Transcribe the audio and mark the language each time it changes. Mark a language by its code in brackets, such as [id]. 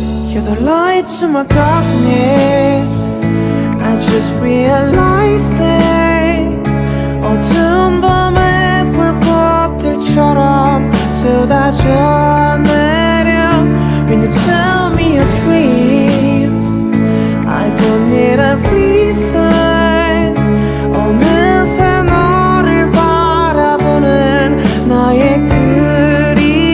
[en] You're the light to my darkness. I just realized it. [ko] 어두운 밤에 불꽃들처럼 쏟아져 내려. [en] When you tell me your dreams, I don't need a reason. [ko] 어느새 너를 바라보는 나의 그림자.